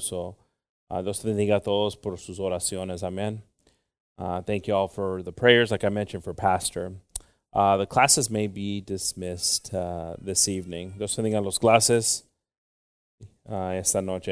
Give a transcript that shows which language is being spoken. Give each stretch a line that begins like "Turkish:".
Spanish: So, Dios bendiga a todos por sus oraciones.
English: Amen. Thank you all for the prayers, like I mentioned, for Pastor. The classes may be dismissed this evening.
Spanish: Dios bendiga a los clases esta noche.